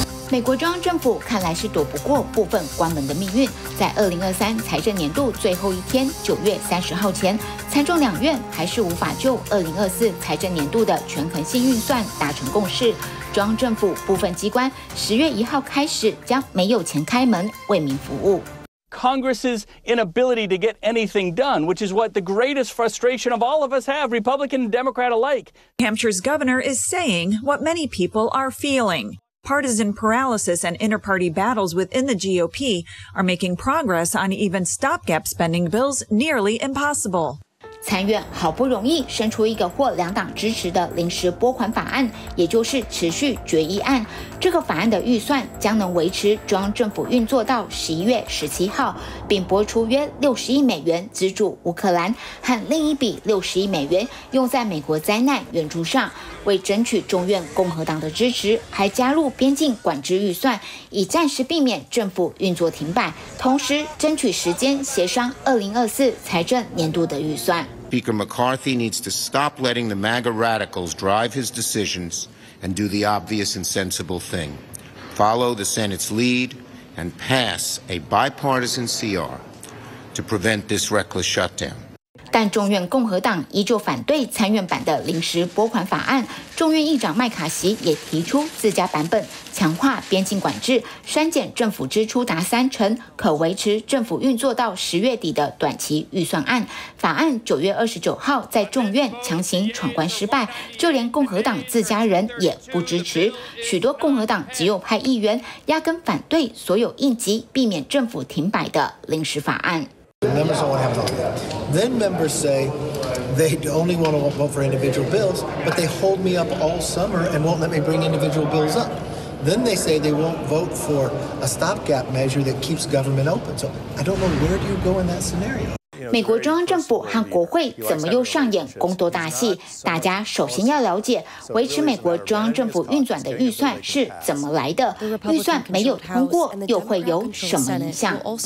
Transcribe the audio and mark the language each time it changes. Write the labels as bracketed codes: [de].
[zh] 美国中央政府看来是躲不过部分关门的命运，在2023财政年度最后一天9月30号前，参众两院还是无法就2024财政年度的权衡性预算达成共识。中央政府部分机关10月1号开始将没有钱开门为民服务。 [en] Congress's inability to get anything done, which is what the greatest frustration of all of us have, Republican and Democrat alike. Hampshire's governor is saying what many people are feeling. Partisan paralysis and inter-party battles within the GOP are making progress on even stopgap spending bills nearly impossible. [zh] 参院好不容易伸出一个获两党支持的临时拨款法案，也就是持续决议案。这个法案的预算将能维持中央政府运作到11月17号，并拨出约60亿美元资助乌克兰和另一笔60亿美元用在美国灾难援助上。为争取众院共和党的支持，还加入边境管制预算，以暂时避免政府运作停摆，同时争取时间协商2024财政年度的预算。 [en] Speaker McCarthy needs to stop letting the MAGA radicals drive his decisions and do the obvious and sensible thing. Follow the Senate's lead and pass a bipartisan CR to prevent this reckless shutdown. [zh] 但众院共和党依旧反对参院版的临时拨款法案，众院议长麦卡锡也提出自家版本，强化边境管制，删减政府支出达30%，可维持政府运作到10月底的短期预算案。法案9月29号在众院强行闯关失败，就连共和党自家人也不支持，许多共和党极右派议员压根反对所有应急避免政府停摆的临时法案。 [en] Members don't want to have a vote. Then members say they only want to vote for individual bills, but they hold me up all summer and won't let me bring individual bills up. Then they say they won't vote for a stopgap measure that keeps government open. So I don't know, where do you go in that scenario? [zh] 美国中央政府和国会怎么又上演公投大戏？大家首先要了解，维持美国中央政府运转的预算是怎么来的？预算没有通过，又会有什么影响？